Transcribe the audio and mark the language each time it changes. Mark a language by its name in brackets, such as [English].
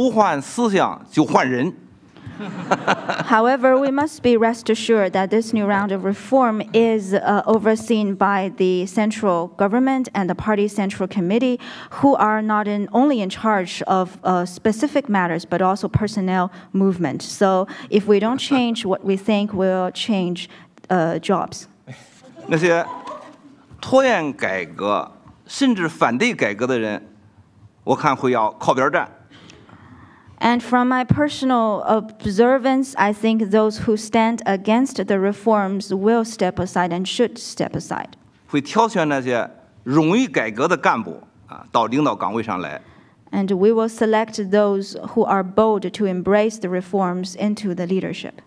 [Chinese] 但是你们相信呢，这次改革是中央党中央在抓啊，党中央是管人事的，管干部任命的，也就是说，不换思想就换人。 [English] However, we must be rest assured that this new round of reform is overseen by the central government and the party central committee, who are not only in charge of specific matters, but also personnel movement. So if we don't change what we think, we'll change jobs. [Chinese] 那些拖延改革甚至反对改革的人，我看会要靠边站。 [English] And from my personal observance, I think those who stand against the reforms will step aside and should step aside. [Chinese] 会挑选那些容易改革的干部啊，到领导岗位上来。 [English] And we will select those who are bold to embrace the reforms into the leadership.